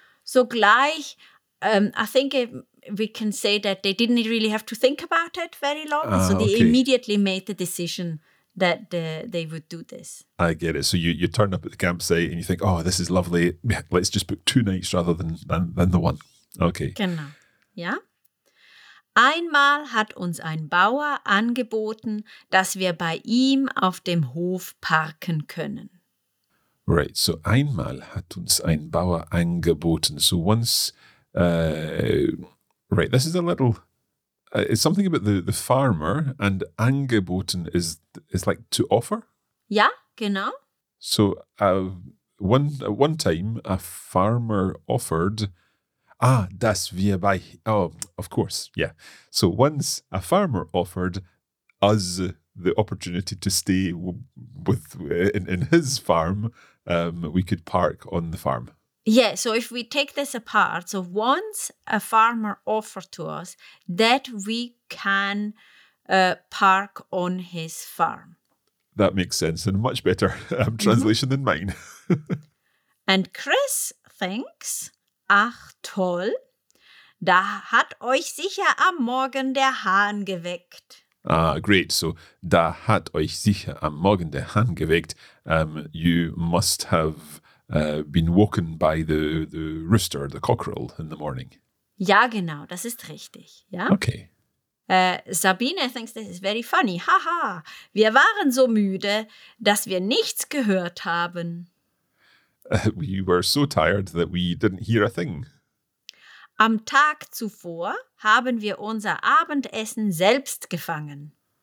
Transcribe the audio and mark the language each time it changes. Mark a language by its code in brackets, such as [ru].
[en] So gleich, I think we can say that they didn't really have to think about it very long. Ah, so they okay. immediately made the decision that they would do this. I get it. So you turn up at the campsite and you think, oh, this is lovely. Let's just book two nights rather than the one. Okay. [de] Genau. Yeah. Einmal hat uns ein Bauer angeboten, dass wir bei ihm auf dem Hof parken können. Right, so einmal hat uns ein Bauer angeboten. [en] So once, right, this is a little, it's something about the farmer, and angeboten is like to offer? [de] Ja, genau. [en] So one time a farmer offered... Ah, [de] dass wir bei... [en] Oh, of course, yeah. So once a farmer offered us the opportunity to stay in his farm, we could park on the farm. Yeah, so if we take this apart, so once a farmer offered to us that we can park on his farm. That makes sense, and much better translation mm-hmm. than mine. And Chris thinks... [de] Ach toll, da hat euch sicher am Morgen der Hahn geweckt. [en] Ah, great. [de] So, da hat euch sicher am Morgen der Hahn geweckt. [en] You must have been woken by the rooster, the cockerel in the morning. [de] Ja, genau, das ist richtig. Ja? [en] Okay. Sabine thinks this is very funny. [de] Haha, wir waren so müde, dass wir nichts gehört haben. [en] We were so tired that we didn't hear a thing. [de] Am Tag zuvor haben wir unser Abendessen selbst gefangen.